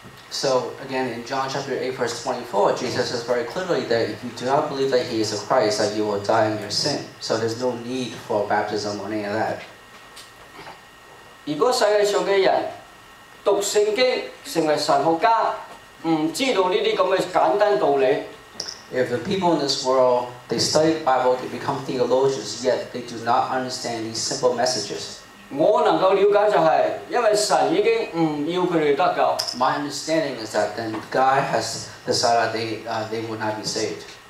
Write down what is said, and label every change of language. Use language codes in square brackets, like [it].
[en] So again, in John chapter 8, verse 24, Jesus says very clearly that if you do not believe that He is the Christ, that you will die in your sin. So there's no need for baptism or any of that. [yue] 如果世界上的人读圣经成为神学家，唔知道呢啲咁嘅简单道理。 [en] If the people in this world, they study the Bible, they become theologians, yet they do not understand these simple messages. My understanding is that then God has decided that they will not be saved.